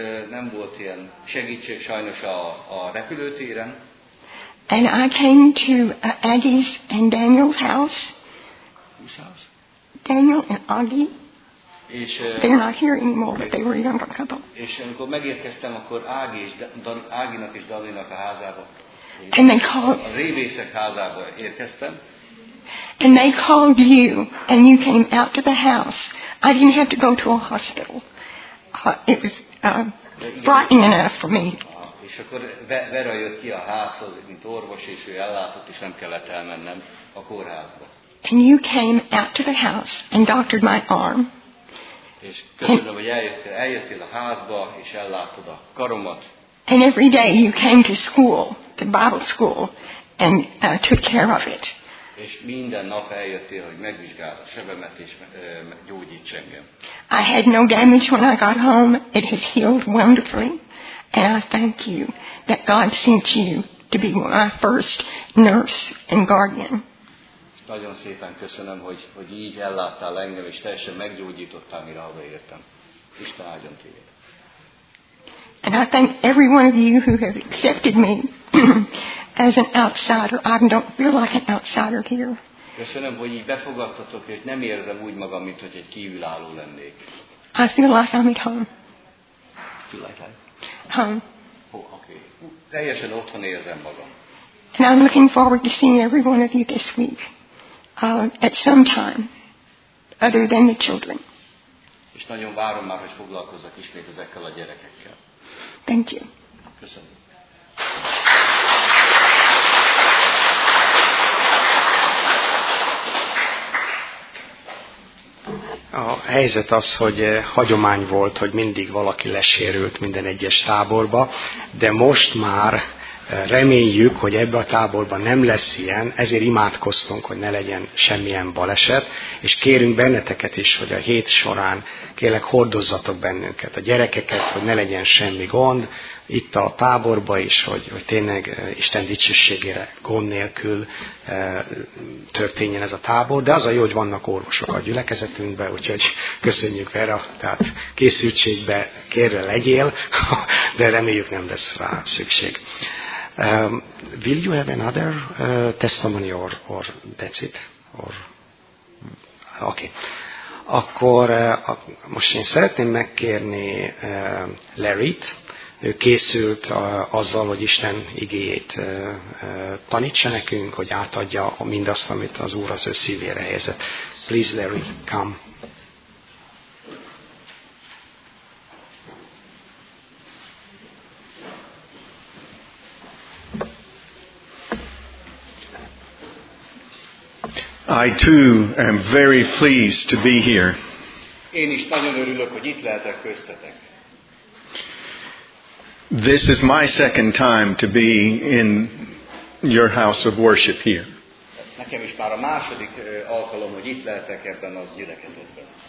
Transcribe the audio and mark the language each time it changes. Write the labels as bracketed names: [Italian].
[Hungarian] Nem volt ilyen segítség sajnos a repülőtéren. [English] And I came to Aggie's and Daniel's house. Whose house? Daniel and Aggie. [Hungarian] És [English] they're not here anymore, but they were a younger couple. [Hungarian] És amikor megérkeztem, akkor Aggie-nak és Dani-nak a házába. [English] And they called. [Hungarian] A révészek házába érkeztem. [English] And they called you, and you came out to the house. I didn't have to go to a hospital. It was frightening enough for me. [Hungarian] És akkor Vera jött ki a házhoz, mint orvos, és ő ellátott, és nem kellett elmennem a kórházba. [English] And you came out to the house and doctored my arm. [Hungarian] És köszönöm, hogy eljöttél a házba, és ellátod a karomat. [English] And every day you came to school, to Bible school, and took care of it. [Hungarian] És minden nap eljöttél, hogy megvizsgáld a sebemet és gyógyíts engem. [English] I had no damage when I got home. It has healed wonderfully. And I thank you that God sent you to be my first nurse and guardian. [Hungarian] Nagyon szépen köszönöm, hogy így elláttál engem, és teljesen meggyógyítottál, mire hazaértem. Isten áldjon téged. [English] And I thank every one of you who have accepted me. As an outsider, I don't feel like an outsider here. [Hungarian] Köszönöm, hogy így befogadtatok, és nem érzem úgy magam, mint hogy egy kívülálló lennék. [English] I feel like I'm at home. I feel like I'm home. Oh, okay. [Hungarian] Teljesen otthon érzem magam. [English] And I'm looking forward to seeing every one of you this week. at some time other than the children. [Hungarian] És nagyon várom már, hogy foglalkozzak ismét ezekkel a gyerekekkel. [English] Thank you. [Hungarian] Köszönöm. A helyzet az, hogy hagyomány volt, hogy mindig valaki lesérült minden egyes táborba, de most már reméljük, hogy ebbe a táborba nem lesz ilyen, ezért imádkoztunk, hogy ne legyen semmilyen baleset, és kérünk benneteket is, hogy a hét során kérlek hordozzatok bennünket, a gyerekeket, hogy ne legyen semmi gond, itt a táborba is, hogy tényleg Isten dicsőségére gond nélkül történjen ez a tábor, de az a jó, hogy vannak orvosok a gyülekezetünkben, úgyhogy köszönjük erre, tehát készültségbe kérve legyél, de reméljük nem lesz rá szükség. [English] Will you have another testimony or that's it? Or... Okay. [Hungarian] Akkor most én szeretném megkérni Larry-t. Ő készült azzal, hogy Isten igéjét tanítsa nekünk, hogy átadja mindazt, amit az Úr az ő szívére helyezett. [English] Please, Larry, come. I too am very pleased to be here. [Hungarian] Én is nagyon örülök, hogy itt lehetek köztetek. [English] This is my second time to be in your house of worship here. [Hungarian] Nekem is már a második alkalom, hogy itt lehetek ebben a gyülekezetben.